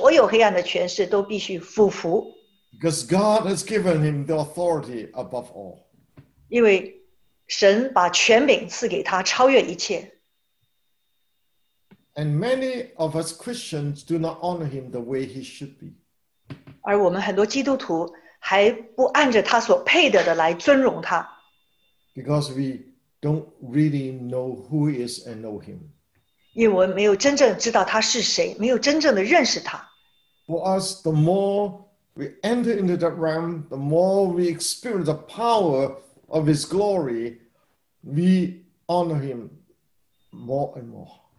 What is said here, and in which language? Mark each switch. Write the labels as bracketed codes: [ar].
[zh] 就是当一提到主耶稣的名的时候,所有黑暗的权势都必须俯伏。 [en] Because God has given him the authority above all. [zh] 因为神把权柄赐给他,超越一切。 [en] And many of us Christians do not honor him the way he should be. [zh] 而我们很多基督徒还不按着他所配得的来尊荣他。 [en] Because we don't really know who he is and know him. [zh] 因为我们没有真正知道他是谁,没有真正的认识他。 [en] For us, the more we enter into that realm, the more we experience the power of his glory, we honor him more and more.